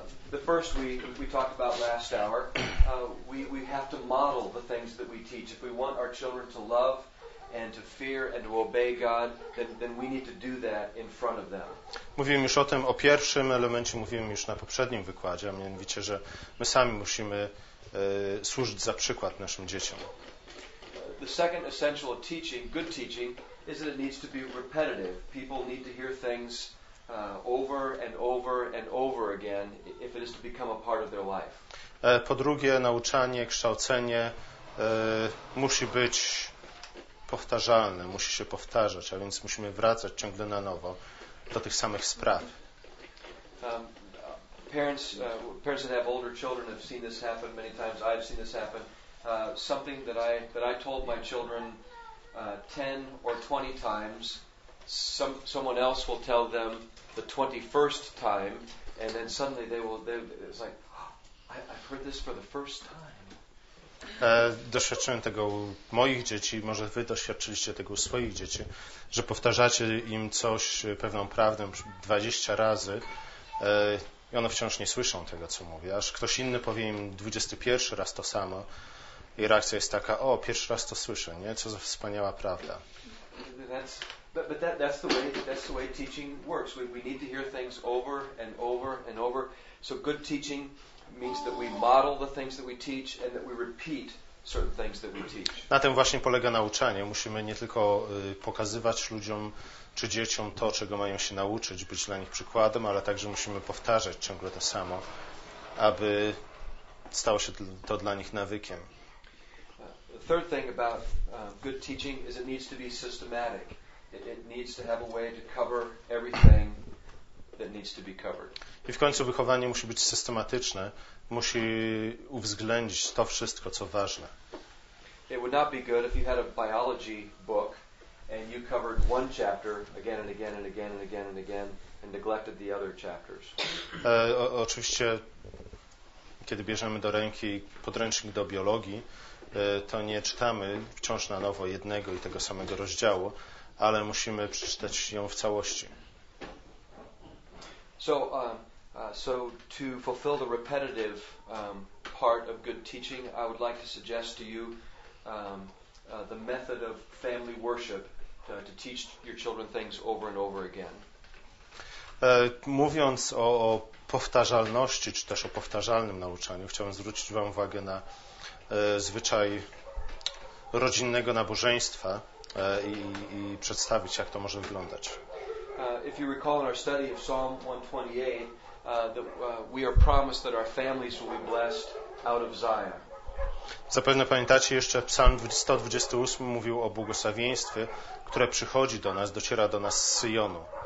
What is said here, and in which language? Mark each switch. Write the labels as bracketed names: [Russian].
[English] The first we talked about last hour. We have to model the things that we teach. If we want our children to love and to fear and to obey God, then we need to do that in front of them. [Polish] Mówiłem już o tym, o pierwszym elemencie mówiłem już na poprzednim wykładzie, a mianowicie, że my sami musimy służyć za przykład naszym dzieciom. [English] The second essential of teaching, good teaching, is that it needs to be repetitive. People need to hear things over and over and over again if it is to become a part of their life. [Polish] Po drugie, nauczanie, kształcenie musi być powtarzalne, musi się powtarzać, a więc musimy wracać ciągle na nowo do tych samych spraw. [English] Parents that have older children have seen this happen many times. I've seen this happen. Something that I told my children 10 or 20 times, someone else will tell them the 21st time, and then suddenly it's like, oh, I've heard this for the first time. [Polish] Doświadczyłem tego u moich dzieci, może wy doświadczyliście tego u swoich dzieci, że powtarzacie im coś, pewną prawdę 20 razy i one wciąż nie słyszą tego, co mówię. Aż ktoś inny powie im 21 raz to samo, i reakcja jest taka, o, pierwszy raz to słyszę, nie? Co za wspaniała prawda. [English] That's the way teaching works. We need to hear things over and over and over. So good teaching means that we model the things that we teach and that we repeat certain things that we teach. [Polish] Na tym właśnie polega nauczanie. Musimy nie tylko pokazywać ludziom czy dzieciom to, czego mają się nauczyć, być dla nich przykładem, ale także musimy powtarzać ciągle to samo, aby stało się to dla nich nawykiem. [English] The third thing about good teaching is it needs to be systematic. It needs to have a way to cover everything that needs to be covered. [Polish] I w końcu wychowanie musi być systematyczne, musi uwzględnić to wszystko, co ważne. [English] It would not be good if you had a biology book and you covered one chapter again and again and again and again and again and neglected the other chapters. [Polish] Oczywiście, kiedy bierzemy do ręki podręcznik do biologii, to nie czytamy wciąż na nowo jednego i tego samego rozdziału, ale musimy przeczytać ją w całości. [English] So to fulfill the repetitive part of good teaching, I would like to suggest to you the method of family worship to teach your children things over and over again. [Polish] Mówiąc o powtarzalności, czy też o powtarzalnym nauczaniu, chciałbym zwrócić Wam uwagę na zwyczaj rodzinnego nabożeństwa i przedstawić, jak to może wyglądać. [English] If you recall in our study of Psalm 128, we are promised that our families will be blessed out of Zion. [Polish] Zapewne pamiętacie jeszcze, Psalm 128 mówił o błogosławieństwie, które przychodzi do nas, dociera do nas z Syjonu.